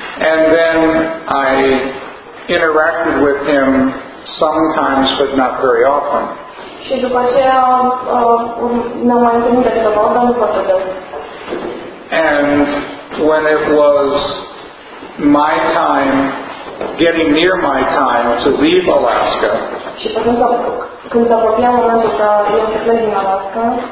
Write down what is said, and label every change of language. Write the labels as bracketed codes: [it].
[en] And then I interacted with him sometimes, but not very often. [ro] Și după aceea ne-am mai întâlnit de câteva ori, dar nu foarte des. [en] And when it was my time, getting near my time to leave Alaska, [ro] și când se apropia momentul ca eu să plec din Alaska,